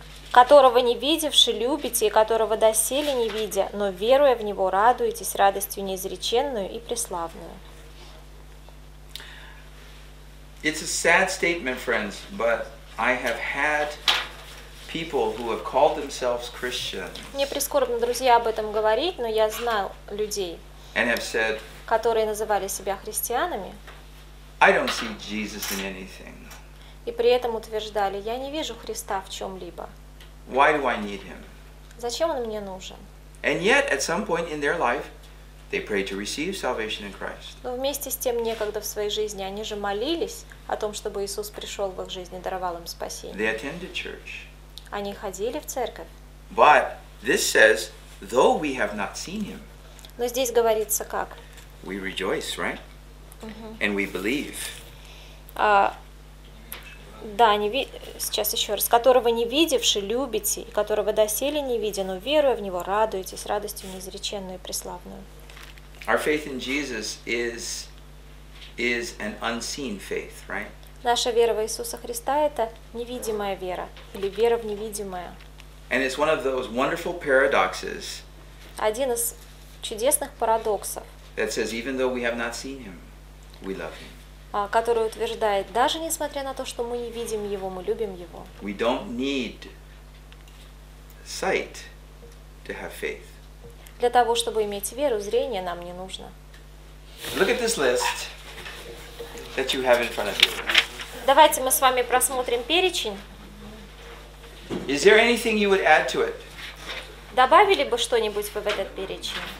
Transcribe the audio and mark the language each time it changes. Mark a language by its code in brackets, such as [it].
[ru] Которого не видевши, любите, и которого доселе не видя, но веруя в него, радуетесь радостью неизреченную и преславную. [en] It's a sad statement, friends, but I have had people who have called themselves Christians. [ru] Мне прискорбно, друзья, об этом говорить, но я знал людей. [en] And have said, [ru] которые называли себя христианами, [en] I don't see Jesus in anything. [ru] И при этом утверждали, я не вижу Христа в чем-либо. [en] Why do I need him? [ru] Зачем он мне нужен? [en] And yet, at some point in their life, they prayed to receive salvation in Christ. [ru] Но вместе с тем, некогда в своей жизни, они же молились о том, чтобы Иисус пришел в их жизнь и даровал им спасение. [en] They attended church. [ru] Они ходили в церковь. [en] But this says, though we have not seen him, [ru] но здесь говорится как? [en] We rejoice, right? And we believe. [ru] Да, не ви... сейчас еще раз. Которого не видевши, любите, и которого доселе не видя, но веруя в него, радуетесь радостью неизреченную и преславную. [en] Our faith in Jesus is an unseen faith, right? [ru] Наша вера в Иисуса Христа – это невидимая вера, или вера в невидимое. [en] And it's one of those wonderful paradoxes. [ru] Один из чудесных парадоксов. [en] That says, even though we have not seen him, we love him. [ru] Который утверждает, даже несмотря на то, что мы не видим его, мы любим его. [en] We don't need sight to have faith. [ru] Для того, чтобы иметь веру, зрение нам не нужно. [en] Look at this list that you have in front of you. [ru] Давайте мы с вами просмотрим перечень. [en] Is there anything you would add to it? [ru] Добавили бы что-нибудь вы в этот перечень?